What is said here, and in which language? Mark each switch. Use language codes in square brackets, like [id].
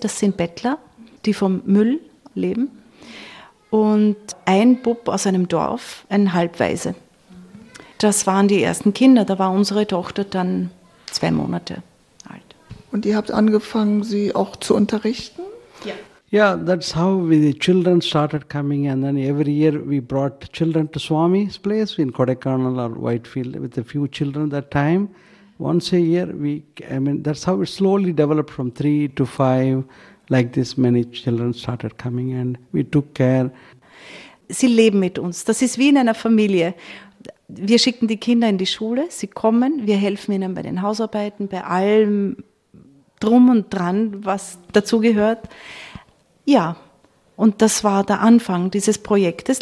[de] Das sind Bettler, die vom Müll leben. Und ein Bub aus einem Dorf, ein Halbwaise. Das waren die ersten Kinder. Da war unsere Tochter dann 2 Monate. Und ihr habt angefangen, sie auch zu unterrichten? Ja. [en] Yeah, that's how the children started coming. And then every year we brought children to Swami's place in Kodaikanal or Whitefield with a few children that time. Once a year, that's how it slowly developed from 3 to 5. Like this, many children started coming and we took care. [de] Sie leben mit uns. Das ist wie in einer Familie. Wir schicken die Kinder in die Schule. Sie kommen. Wir helfen ihnen bei den Hausarbeiten, bei allem drum und dran, was dazugehört. Ja, und das war der Anfang dieses Projektes.